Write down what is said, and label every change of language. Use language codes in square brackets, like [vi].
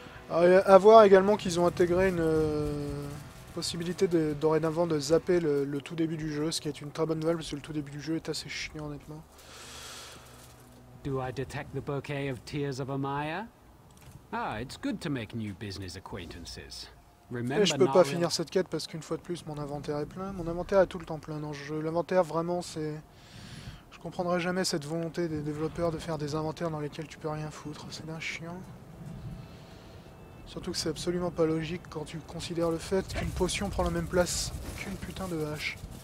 [fr] À voir également qu'ils ont intégré une possibilité dorénavant de zapper le tout début du jeu, ce qui est une très bonne nouvelle parce que le tout début du jeu est assez chiant honnêtement. [en] Do I detect the bouquet of tears of Amaya? Ah, it's good to make new business acquaintances. [fr] Remember, et je peux pas finir cette quête parce qu'une fois de plus mon inventaire est plein. Mon inventaire est tout le temps plein dans le jeu. L'inventaire vraiment c'est... Je comprendrai jamais cette volonté des développeurs de faire des inventaires dans lesquels tu peux rien foutre. C'est d'un chiant. Surtout que c'est absolument pas logique quand tu considères le fait qu'une potion prend la même place qu'une putain de hache.